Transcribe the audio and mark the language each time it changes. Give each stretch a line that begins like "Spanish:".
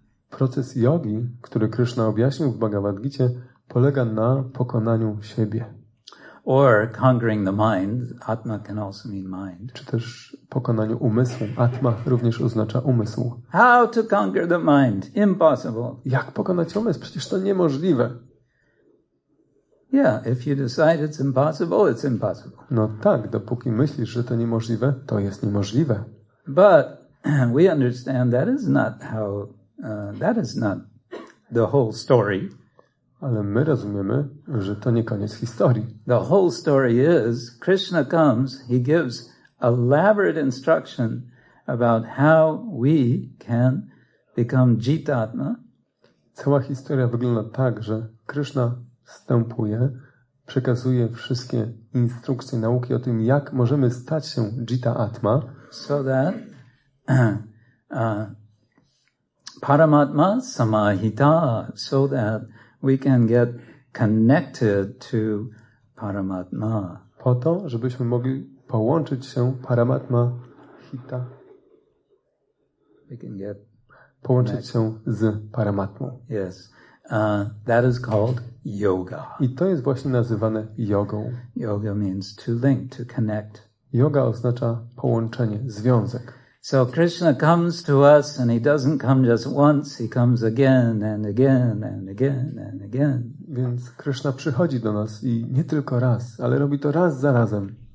Polish: Proces jogi, który Krishna objaśnił w Bhagavad Gita, polega na pokonaniu siebie.
English: Or conquering the mind. Atma can also mean mind.
Polish: Czy też pokonaniu umysłu. Atma również oznacza umysł.
English: How to conquer the mind? Impossible.
Polish: Jak pokonać umysł? Przecież to niemożliwe.
English: Yeah, if you decide it's impossible, it's impossible.
Polish: No tak, dopóki myślisz, że to niemożliwe, to jest niemożliwe.
English: But we understand that is not how that is not the whole story.
Polish: Ale my rozumiemy, że to nie koniec historii.
English: The whole story is Krishna comes, he gives elaborate instruction about how we can become jitatma.
Polish: Cała historia wygląda tak, że Krishna wstępuje, przekazuje wszystkie instrukcje, nauki o tym, jak możemy stać się jita atma.
English: So that
Sanskrit: paramatma samahita,
English: so that we can get connected to paramatma.
Polish: Po to, żebyśmy mogli połączyć się paramatma hita.
English: We can get
Polish: połączyć się z paramatmą.
English: Yes. That is called yoga.
Polish: I to jest właśnie nazywane jogą.
English: Yoga means to link, to connect.
Polish: Yoga oznacza połączenie, związek.
English: So Krishna comes to us and he doesn't come just once, he comes again and again and again and again.
Polish: Więc Krishna przychodzi do nas i nie tylko raz, ale robi to raz za razem.